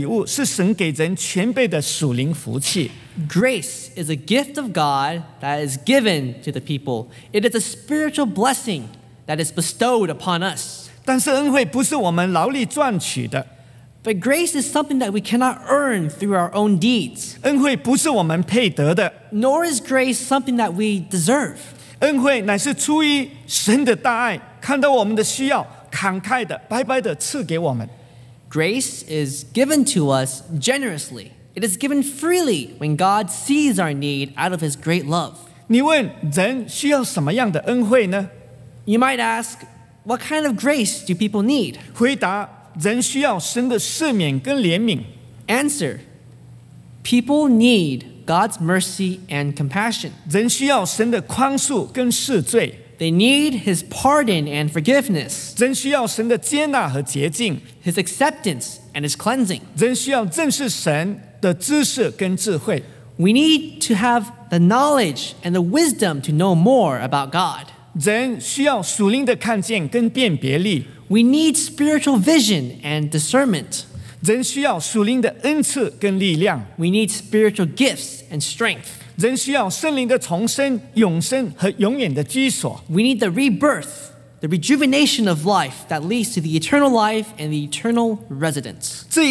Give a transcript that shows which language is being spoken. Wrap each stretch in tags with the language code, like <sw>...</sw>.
<zh>恩惠是神给人的礼物,是神给人全备的属灵福气。</zh> <en>Grace is a gift of God that is given to the people. It is a spiritual blessing that is bestowed upon us.</en> <zh>但是恩惠不是我们劳力赚取的。</zh> <en>But grace is something that we cannot earn through our own deeds.</en> <zh>恩惠不是我们配得的。</zh> <en>Nor is grace something that we deserve.</en> <zh>恩惠乃是出于神的大爱，看到我们的需要，慷慨的、白白的赐给我们。</zh> <en>Grace is given to us generously. It is given freely when God sees our need out of His great love.</en> <zh>你问人需要什么样的恩惠呢?</zh> <en>You might ask, what kind of grace do people need?</en> <zh>回答，人需要神的赦免跟怜悯。</zh> <en>Answer, people need God's mercy and compassion.</en> <zh>人需要神的宽恕跟赦罪。</zh> <en>They need His pardon and forgiveness.</en> <zh>人需要神的接纳和洁净。</zh> <en>His acceptance and His cleansing.</en> <zh>人需要正视神的知识跟智慧。</zh> <en>We need to have the knowledge and the wisdom to know more about God.</en> <zh>人需要属灵的看见跟辨别力。</zh> <en>We need spiritual vision and discernment.</en> <zh>人需要属灵的恩赐跟力量。</zh> <en>We need spiritual gifts and strength.</en> <zh>人需要圣灵的重生、永生和永远的居所。</zh> <en>We need the rebirth, the rejuvenation of life that leads to the eternal life and the eternal residence.</en>